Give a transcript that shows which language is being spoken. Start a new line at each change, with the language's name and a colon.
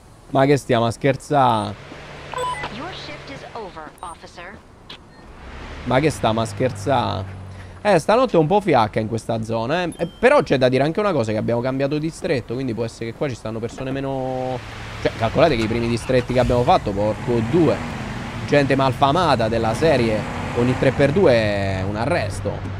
Italian: Ma che stiamo a scherzare?
English: Your shift is over, officer.
Italian: Ma che stiamo a scherzare? Stanotte è un po' fiacca in questa zona, però c'è da dire anche una cosa, che abbiamo cambiato distretto, quindi può essere che qua ci stanno persone meno... Cioè, calcolate che i primi distretti che abbiamo fatto, porco due, gente malfamata della serie, ogni 3x2 è un arresto.